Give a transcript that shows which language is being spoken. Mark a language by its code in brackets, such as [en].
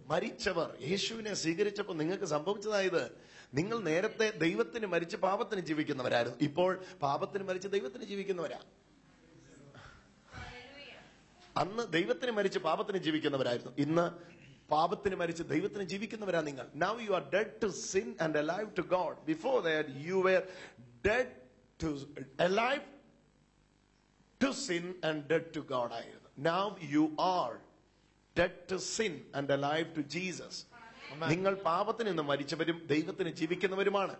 [ml] മരിച്ചവർ, യേശുവിനെ സ്വീകരിച്ചപ്പോ നിങ്ങൾക്ക് സംഭവിച്ചതായത്, നിങ്ങൾ നേരത്തെ ദൈവത്തിന് മരിച്ച് പാപത്തിന് ജീവിക്കുന്നവരായിരുന്നു, ഇപ്പോൾ പാപത്തിന് മരിച്ച് ദൈവത്തിന് ജീവിക്കുന്നവരാ. അന്ന് ദൈവത്തിന് മരിച്ച് പാപത്തിന് ജീവിക്കുന്നവരായിരുന്നു, ഇന്ന് പാപത്തിന് മരിച്ച് ദൈവത്തിന് ജീവിക്കുന്നവരാ നിങ്ങൾ. [en] Now you are dead to sin and alive to God. Before that you were dead to alive to sin and dead to God. Now you are dead to sin and alive to Jesus. [ml] നിങ്ങൾ പാപത്തിൽ നിന്ന് മരിച്ചവരും ദൈവത്തിന് ജീവിക്കുന്നവരുമാണ്.